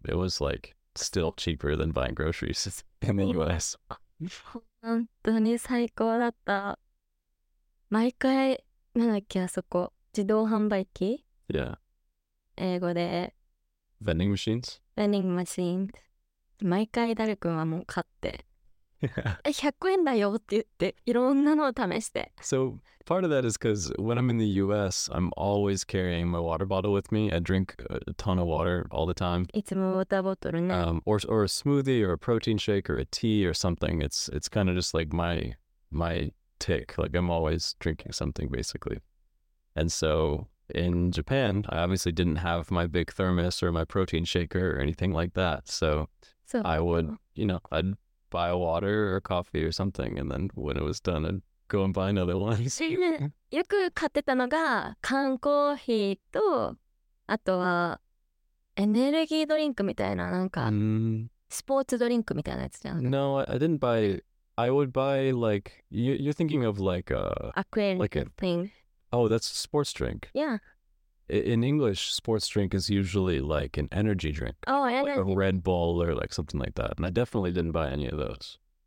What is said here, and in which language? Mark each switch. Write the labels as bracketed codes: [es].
[en] It was like still cheaper than buying groceries in the US. [ja] 本当に最高だった。毎回、なんだっけあそこ自動販売機 [en] Yeah. [ja] 英語で [en] Vending machines? Vending machines. [ja] 毎回ダル君はもう買って100円だよって言っていろんなのを試して [en] So part of that is because when I'm in the US, I'm always carrying my water bottle with me. I drink a ton of water all the time. [ja] いつもウォーターボトルね。 [en] Or a smoothie or a protein shake or a tea or something. It's kind of just like my... Tick. Like, I'm always drinking something, basically. And so, in Japan, I obviously didn't have my big thermos or my protein shaker or anything like that. So I would, you know, I'd buy a water or coffee or something, and then when it was done, I'd go and buy another one. [ja] よく買ってたのが缶コーヒーとあとはエネルギードリンクみたいななんかスポーツドリンクみたいなやつじゃん。 [en] No, I didn't buy... I would buy, like, you're thinking of, like, a thing. Oh, that's a sports drink. Yeah. In English, sports drink is usually, like, an energy drink. Oh, energy. Like a Red Bull or, like, something like that. And I definitely didn't buy any of those.